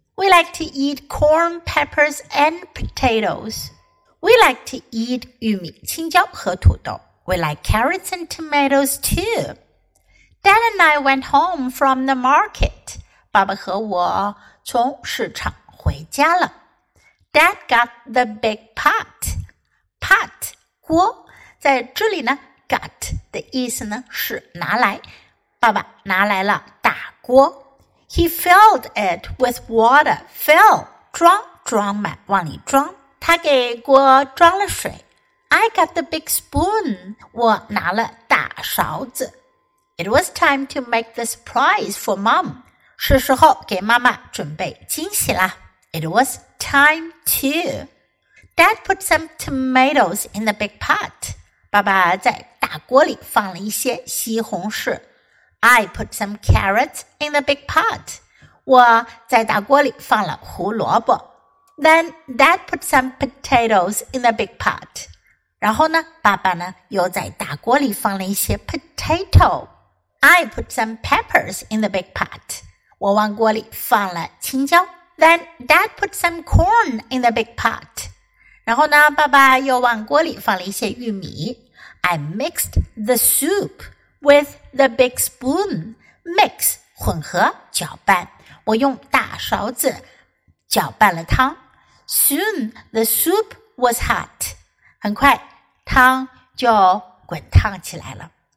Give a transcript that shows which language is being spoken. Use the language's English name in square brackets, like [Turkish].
[English] We like to eat corn, peppers, and potatoes. We like to eat [Chinese] 玉米、青椒和土豆。 [English] We like carrots and tomatoes too. Dad and I went home from the market. [Chinese] 爸爸和我从市场回家了。 [English] Dad got the big pot. Pot, [Chinese] 锅在这里呢 got 的意思呢是拿来爸爸拿来了大锅 [English] He filled it with water Fill, [Chinese] 装装满往里装他给锅装了水 [English] I got the big spoon [Chinese] 我拿了大勺子 [English] It was time to make the surprise for mom [Chinese] 是时候给妈妈准备惊喜啦 [English] It was time toDad put some tomatoes in the big pot. [Chinese] 爸爸在大锅里放了一些西红柿。 [English] I put some carrots in the big pot. [Chinese] 我在大锅里放了胡萝卜。 [English] Then Dad put some potatoes in the big pot. [Chinese] 然后呢，爸爸呢，又在大锅里放了一些 potato. [English] I put some peppers in the big pot. [Chinese] 我往锅里放了青椒。 [English] Then Dad put some corn in the big pot. [Chinese] 然后呢，爸爸又往锅里放了一些玉米。 [English] I mixed the soup with the big spoon. [Chinese] Mix, 混合，搅拌。我用大勺子搅拌了汤。 [English] Soon the soup was hot. [Chinese] 很快汤就滚烫起来了。